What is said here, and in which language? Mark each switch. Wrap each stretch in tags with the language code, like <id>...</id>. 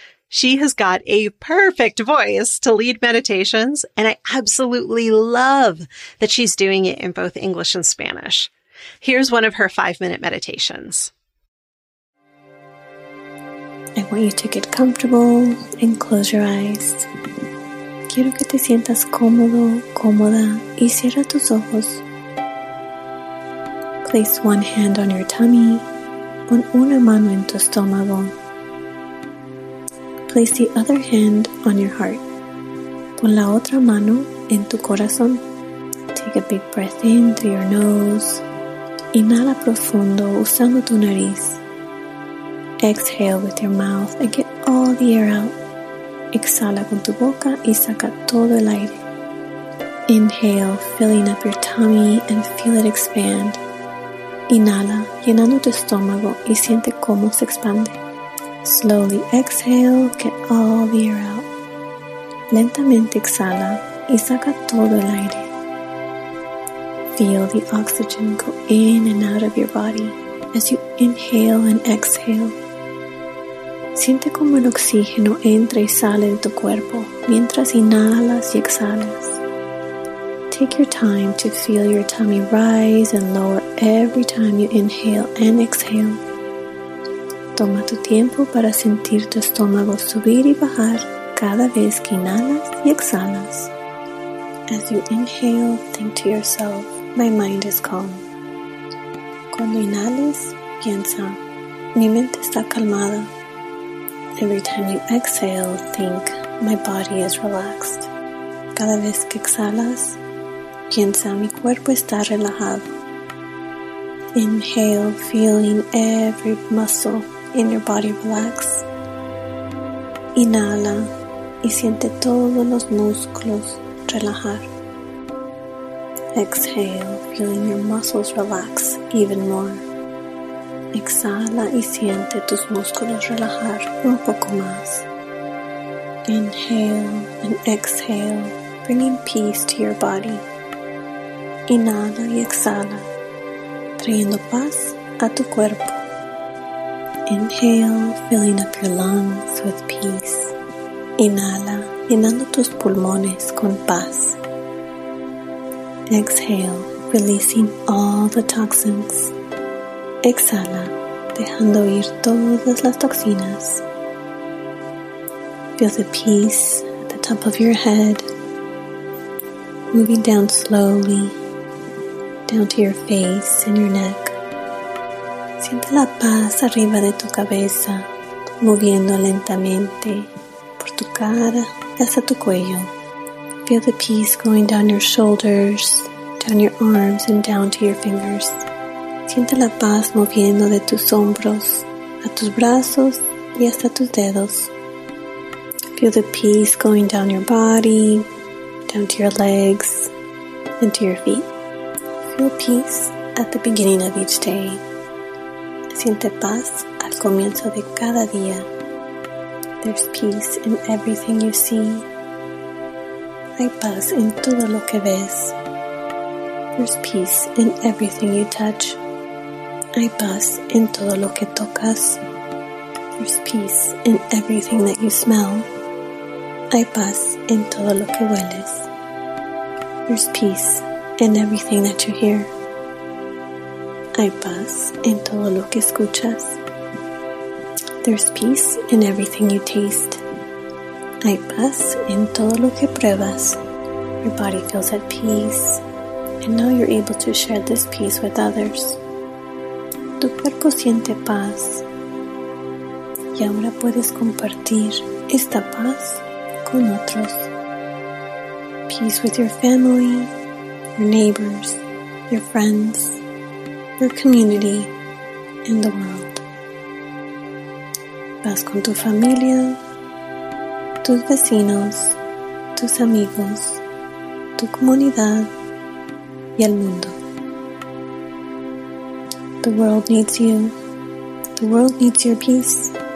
<en>She has got a perfect voice to lead meditations, and I absolutely love that she's doing it in both English and Spanish. Here's one of her 5-minute meditations. I want you to get comfortable and close your eyes.</en> <es>Quiero que te sientas cómodo, cómoda, y cierra tus ojos.</es> <en>Place one hand on your tummy,</en> <es>pon una mano en tu estómago.</es> <en>Place the other hand on your heart.</en> <es>Pon la otra mano en tu corazón.</es> <en>Take a big breath in through your nose.</en> <es>Inhala profundo usando tu nariz.</es> <en>Exhale with your mouth and get all the air out.</en> <es>Exhala con tu boca y saca todo el aire.</es> <en>Inhale, filling up your tummy and feel it expand.</en> <es>Inhala, llenando tu estómago y siente cómo se expande.</es> <en>Slowly exhale, get all the air out.</en> <es>Lentamente exhala y saca todo el aire.</es> <en>Feel the oxygen go in and out of your body as you inhale and exhale.</en> <es>Siente como el oxígeno entra y sale de tu cuerpo mientras inhalas y exhalas.</es> <en>Take your time to feel your tummy rise and lower every time you inhale and exhale.</en> <es>Toma tu tiempo para sentir tu estómago subir y bajar cada vez que inhalas y exhalas.</es> <en>As you inhale, think to yourself, my mind is calm.</en> <es>Cuando inhales, piensa, Mi mente está calmada.</es> <en>Every time you exhale, think, my body is relaxed.</en> <es>Cada vez que exhalas, piensa, mi cuerpo está relajado.</es> <en>Inhale, feeling every muscle in your body relax.</en> <es>Inhala y siente todos los músculos relajar.</es> <en>Exhale, feeling your muscles relax even more.</en> <es>Exhala y siente tus músculos relajar un poco más.</es> <en>Inhale and exhale, bringing peace to your body.</en> <es>Inhala y exhala, trayendo paz a tu cuerpo.</es> <en>Inhale, filling up your lungs with peace.</en> <es>Inhala, llenando tus pulmones con paz.</es> <en>Exhale, releasing all the toxins.</en> <es>Exhala, dejando ir todas las toxinas.</es> <en>Feel the peace at the top of your head, moving down slowly, down to your face and your neck.</en> <es>Siente la paz arriba de tu cabeza, moviendo lentamente por tu cara hasta tu cuello.</es> <en>Feel the peace going down your shoulders, down your arms and down to your fingers.</en> <es>Siente la paz moviendo de tus hombros a tus brazos y hasta tus dedos.</es> <en>Feel the peace going down your body, down to your legs, and to your feet. Feel peace at the beginning of each day.</en> <es>Siente paz al comienzo de cada día.</es> <en>There's peace in everything you see.</en> <es>Hay paz en todo lo que ves.</es> <en>There's peace in everything you touch.</en> <es>Hay paz en todo lo que tocas.</es> <en>There's peace in everything that you smell.</en> <es>Hay paz en todo lo que hueles.</es> <en>There's peace in everything that you hear.</en> <es>Hay paz en todo lo que escuchas.</es> <en>There's peace in everything you taste.</en> <es>Hay paz en todo lo que pruebas.</es> <en>Your body feels at peace. And now you're able to share this peace with others.</en> <es>Tu cuerpo siente paz. Y ahora puedes compartir esta paz con otros.</es> <en>Peace with your family, your neighbors, your friends, your community, and the world.</en> <es>Paz con tu familia, tus vecinos, tus amigos, tu comunidad, y el mundo.</es> <en>The world needs you. The world needs your peace.</en>